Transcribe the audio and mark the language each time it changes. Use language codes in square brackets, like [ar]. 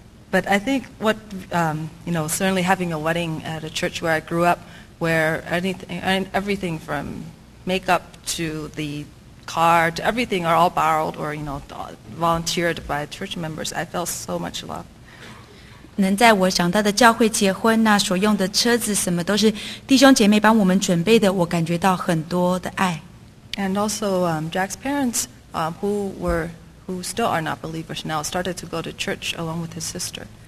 [en] But I think what you know, certainly having a wedding at a church where I grew up, where anything, everything from makeup to the car to everything are all borrowed or you know volunteered by church members, I felt so much love. [zh] 能在我长大的教会结婚，那所用的车子什么都是弟兄姐妹帮我们准备的，我感觉到很多的爱。 [en] And also Jack's parents, who still are not believers now, started to go to church along with his sister.